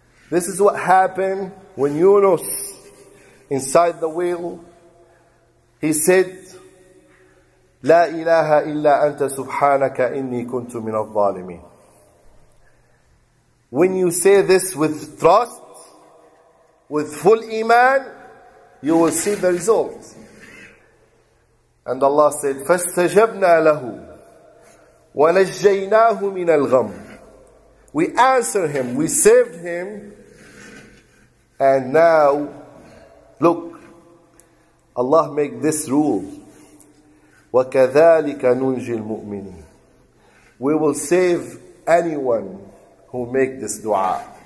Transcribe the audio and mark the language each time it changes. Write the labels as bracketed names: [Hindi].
[English] This is what happened when Yunus inside the whale, he said, [Arabic] La ilaha illa anta subhanaka inni kuntu min al-zalimin. [English] When you say this with trust, with full iman, you will see the result. And Allah said, [Arabic] فَاسْتَجَبْنَا لَهُ وَنَجَّيْنَاهُ مِنَ الْغَمِّ. [English] We answered him, we saved him, and now, look, Allah make this rule. [Arabic] وَكَذَلِكَ نُنْجِي الْمُؤْمِنِينَ. [English] We will save anyone who make this dua.